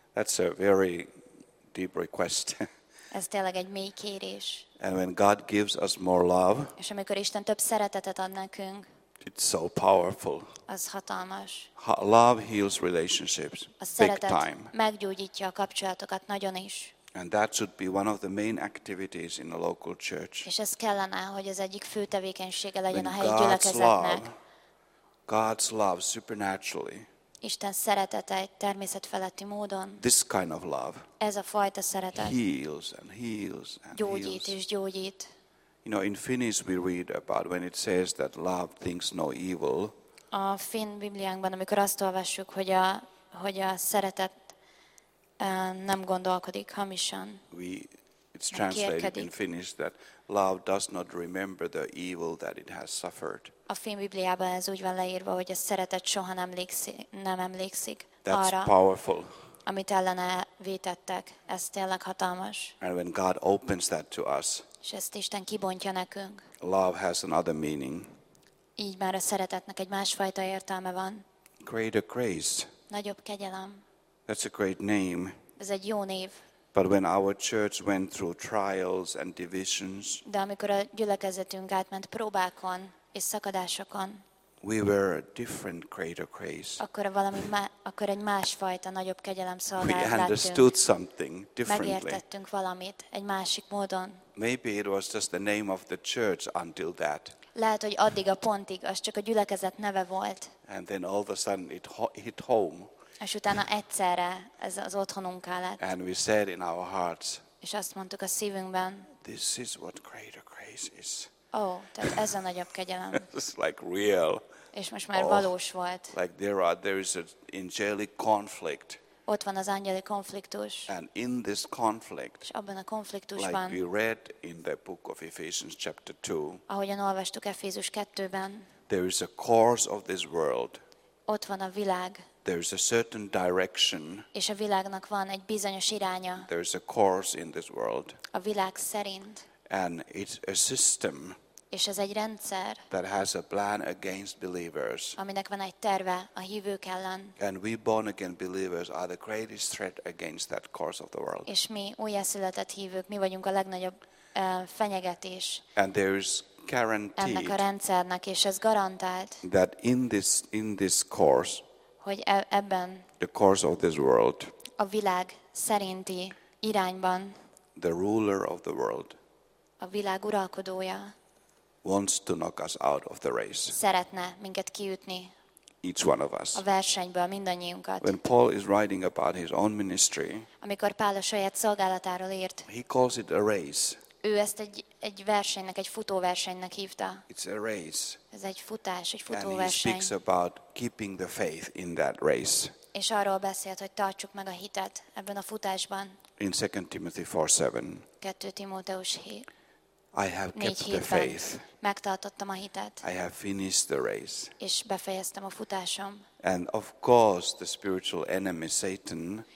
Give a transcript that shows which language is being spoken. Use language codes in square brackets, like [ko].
[en] That's a very deep request. [hu] Ez tényleg egy mély kérés. [en] And when God gives us more love, [hu] és amikor Isten több szeretetet ad nekünk, [en] it's so powerful. [hu] Az hatalmas. [en] Love heals relationships. [hu] A szeretet meggyógyítja a kapcsolatokat nagyon is. [en] And that should be one of the main activities in a local church. [hu] És ez kellene, hogy az egyik fő tevékenysége legyen a helyi gyülekezetnek. [en] God's love supernaturally. [hu] Isten szeretete egy természetfeletti módon. [en] This kind of love. [hu] Ez a fajta szeretet. [en] Heals and heals and [hu] gyógyít [en] heals. [hu] És gyógyít. [en] You know, in Finnish we read about when it says that love thinks no evil. [hu] A finn Bibliánkban, amikor azt olvassuk, hogy a szeretet nem gondolkodik hamisan. [en] It's translated kérkedik. In Finnish that love does not remember the evil that it has suffered. [hu] A finn Bibliában ez úgy van leírva, hogy a szeretet soha nem emlékszik [en] That's That's powerful. [hu] Amit ellene vétettek, ez tényleg hatalmas. [en] And when God opens that to us. [hu] És ezt Isten kibontja nekünk. [en] Love has another meaning. [hu] Így már a szeretetnek egy másfajta értelme van. [en] Greater grace. [hu] Nagyobb kegyelem. [en] That's a great name. [hu] Ez egy jó név. [en] But when our church went through trials and divisions, [hu] de amikor a gyülekezetünk átment próbákon és szakadásokon, [en] we were a different greater grace. [hu] Akkor egy másfajta nagyobb kegyelem szolgálat láttunk. [en] We understood something differently. [hu] Megértettünk valamit egy másik módon. [en] Maybe it was just the name of the church until that. [hu] Lehet, hogy addig a pontig az csak a gyülekezet neve volt. [en] And then all of a sudden it hit home. [hu] És utána egyszerre ez az otthonunká lett. [en] And we said in our hearts. [hu] És azt mondtuk a szívünkben. [en] This is what greater grace is. [hu] Oh, tehát ez a nagyobb kegyelem. [en] It's like real. [hu] És most már valós volt. [en] Like there is an angelic conflict. [hu] Ott van az angyali konfliktus. [en] And in this conflict, [hu] és abban a konfliktusban, [en] like we read in the book of Ephesians chapter 2, [hu] ahogyan olvastuk Efézus 2-ben, [en] there is a course of this world. [hu] Ott van a világ. [en] There is a certain direction. [hu] És a világnak van egy bizonyos iránya. [en] There is a course in this world. [hu] A világ szerint. [en] And it's a system. [hu] És ez egy rendszer. [en] That has a plan against believers. [hu] Aminek van egy terve a hívők ellen. [en] And we born again believers are the greatest threat against that course of the world. [hu] És mi újjászületett hívők, mi vagyunk a legnagyobb fenyegetés. [en] And there is guaranteed. [hu] Ennek a rendszernek, és ez garantált. [en] That in this course. [hu] Hogy ebben. [en] The course of this world. [hu] A világ szerinti irányban. [en] The ruler of the world. [hu] A világ uralkodója. [en] Wants to knock us out of the race. [hu] Szeretne minket kiütni. [en] Each one of us. [hu] A versenyből mindannyiunkat. [en] When Paul is writing about his own ministry. [hu] Amikor Pál a saját szolgálatáról írt. [en] He calls it a race. [hu] Ő ezt egy versenynek, egy futóversenynek hívta. [en] It's a race. [hu] Ez egy futás, egy futóverseny. [en] And he speaks about keeping the faith in that race. [hu] És arról beszélt, hogy tartsuk meg a hitet ebben a futásban. [en] In 2 Timothy 4:7. [hu] 2 Timóteus 7. [en] I have kept the faith. [hu] Megtartottam a hitet. [en] I have finished the race. [hu] És befejeztem a futásom. [en] And of course the spiritual enemy Satan.